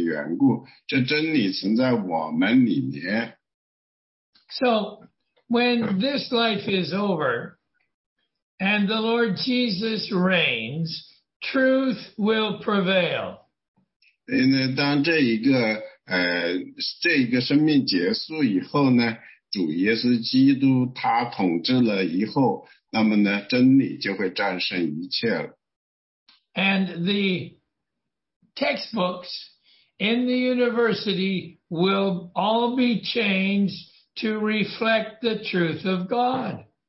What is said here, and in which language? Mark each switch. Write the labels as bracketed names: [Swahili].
[Chinese] 这里再继续讲,我爱你们,爱你们是为真理的缘故,这真理存在我们里面。 [English] So when this life is over and the Lord Jesus reigns, truth will prevail. [Chinese] 因为当这一个生命结束以后呢,主耶稣基督他统治了以后,那么呢,真理就会战胜一切了。 [English] And the textbooks in the university will all be changed to reflect the truth of God.